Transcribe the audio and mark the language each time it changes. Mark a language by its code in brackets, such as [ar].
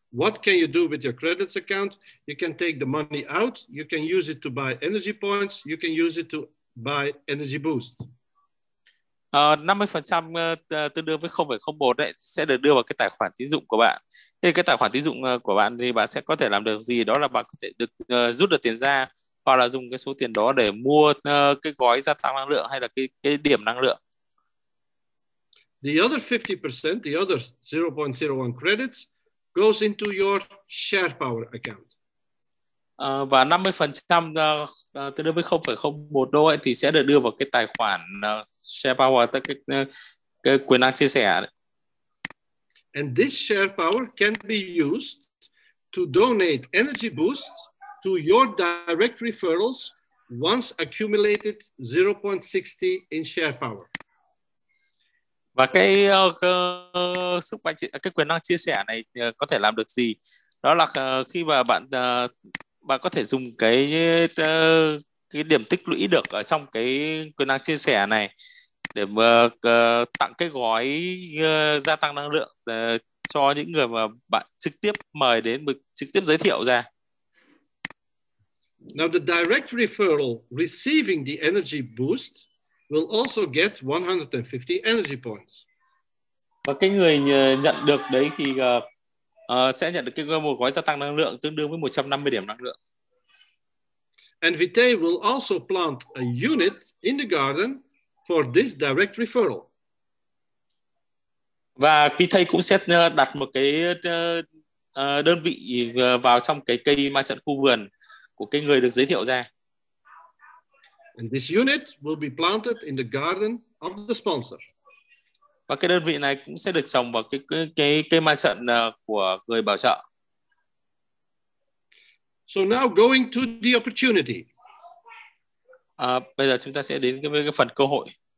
[en] What can you do with your credits account? You can take the money out. You can use it to buy energy points. You can use it to buy energy boost. [vi] 50% tương đương với 0.01 đấy sẽ được đưa vào cái tài khoản tín dụng của bạn. Thì cái tài khoản tín dụng của bạn thì bạn sẽ có thể làm được gì? Đó là bạn có thể được rút được tiền ra hoặc là dùng cái số tiền đó để mua cái gói gia tăng năng lượng hay là cái điểm năng lượng. [en] The other 50%, the other 0.01 credits goes into your share power account. [vi] Và 50% tương đương với 0.01 đô ấy, thì sẽ được đưa vào cái tài khoản share power, tức cái quyền năng chia sẻ. [en] And this share power can be used to donate energy boosts to your direct referrals once accumulated 0.60 in share power. [vi] Và cái quyền năng chia sẻ này có thể làm được gì? Đó là khi mà bạn có thể dùng cái điểm tích lũy được ở trong cái quyền năng chia sẻ này để mà tặng cái gói gia tăng năng lượng cho những người mà bạn trực tiếp mời đến, trực tiếp giới thiệu ra. [en] Now the direct referral receiving the energy boost will also get 150 energy points. [vi] Và cái người nhận được đấy thì sẽ nhận được cái một gói gia tăng năng lượng tương đương với 150 điểm năng lượng. [en] And Vitae will also plant a unit in the garden for this direct referral. [vi] Và Vitae cũng sẽ đặt một cái đơn vị vào trong cái cây ma trận khu vườn của cái người được giới thiệu ra. [en] And this unit will be planted in the garden of the sponsor. [vi] Và cái đơn vị này cũng sẽ được trồng vào cái cây ma trận của người bảo trợ. [en] So now going to the opportunity. [vi] Bây giờ chúng ta sẽ đến với cái phần cơ hội.